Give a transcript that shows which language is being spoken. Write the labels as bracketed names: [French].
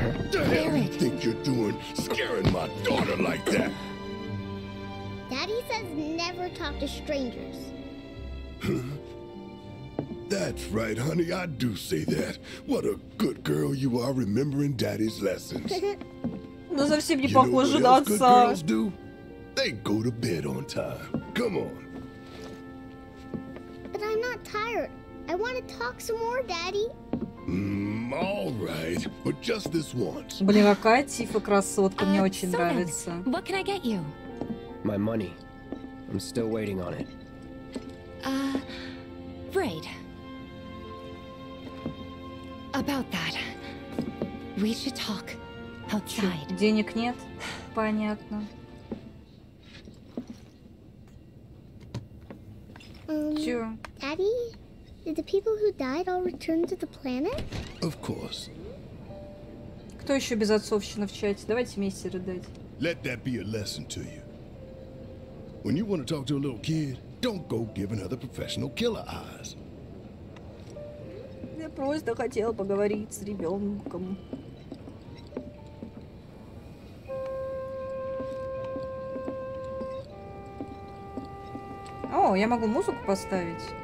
[English] The hell you think you're doing, scaring my daughter like that? Daddy says never talk to strangers. That's right, honey. I do say that. What a good girl you are remembering Daddy's lessons. [Russian] Ну совсем не похоже на отца. [English] They go to bed on time. Come on. But I'm not tired. I want to talk some more, Daddy. All right, but just this once. [Russian] Блин, какая Тифа красотка, мне очень нравится. [English] What can I get you? My money. I'm still waiting on it. Braid. About that. We should talk outside. [Russian] Денег нет? Понятно. Чё? [English] Daddy? Did the people who died all return to the planet? Of course. [Russian] Кто ещё без отцовщины в чате? Давайте вместе рыдать. [English] Let that be a lesson to you. When you want to talk to a little kid, don't go giving other professional killer eyes. [Russian] Я просто хотел поговорить с ребёнком. О, я могу музыку поставить.